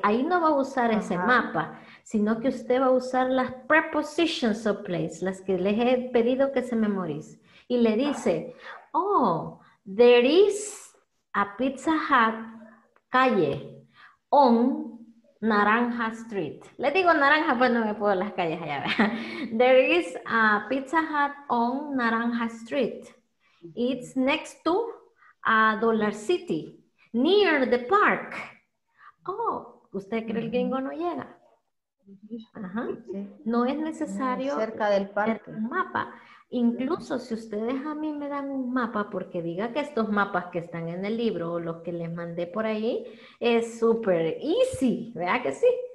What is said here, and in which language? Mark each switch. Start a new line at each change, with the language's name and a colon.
Spanish: Ahí no va a usar ese mapa, sino que usted va a usar las
English: prepositions of place,
Spanish: las que les he pedido que se memorice. Y le dice,
English: oh, there is a Pizza Hut calle on Naranja Street.
Spanish: Le digo Naranja, pues no me puedo las calles allá.
English: There is a Pizza Hut on Naranja Street. It's next to a Dollar City, near the park.
Spanish: Oh, ¿usted cree que el gringo no llega? Ajá. No es necesario cerca del parque. Tener un mapa. Incluso si ustedes a mí me dan un mapa, porque diga que estos mapas que están en el libro o los que les mandé por ahí, es súper easy, ¿verdad que sí?